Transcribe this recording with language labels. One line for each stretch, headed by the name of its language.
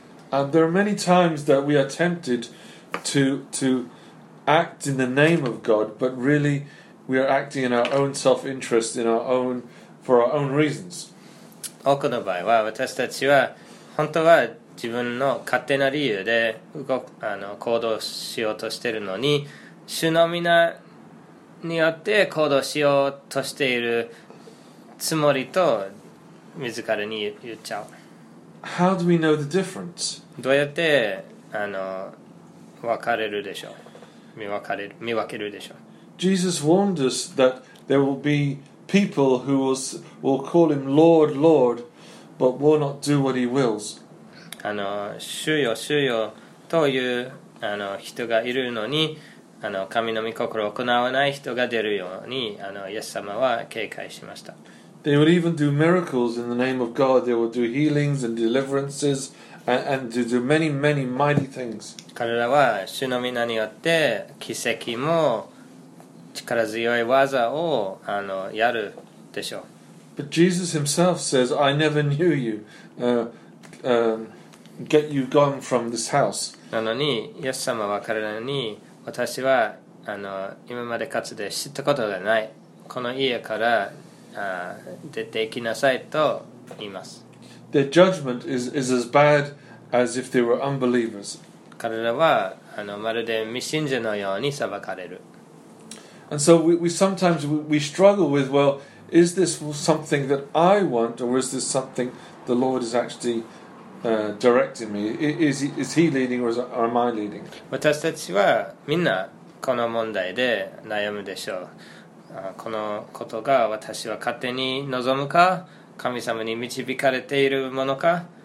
English: There are many times that we are tempted to act in the name of God, but really we are acting in our own self-interest, for our own reasons.
Japanese: 多くの場合は私たちは本当は自分の勝手な理由で行動しようとしているのに、主の皆によって行動しようとしているつもりと自らに言っちゃう。
English: How do we know the difference?
Japanese: どうやって分かれるでしょう。見分けるでしょう。
English: Jesus warned us that there will be people who will call him Lord, Lord, but will not do what he wills.
Japanese: 主よ、主よという人がいるのに、神の御心を行わない人が出るようにイエス様は警戒しました。
English: They would even do miracles in the name of God. They would do healings and deliverances and do many, many mighty things.
Japanese: 彼らは主の皆によって奇跡も力強い技をやるでしょう。
English: But Jesus himself says, I never knew you. Get you gone from this house.
Japanese: なのにイエス様は彼らに、私は今までかつて知ったことがない、この家から出て行きなさいと言います。
English: Their judgment is as bad as if they were unbelievers.
Japanese: 彼らはまるで未信者のように裁かれる。
English: And so we sometimes we struggle with, well, is this something that I want, or is this something the Lord is actually directing me? Is he leading, or am I leading?
Japanese: 私たちはみんなこの問題で悩むでしょう。このことが私は勝手に望むか、神様に導かれているものか。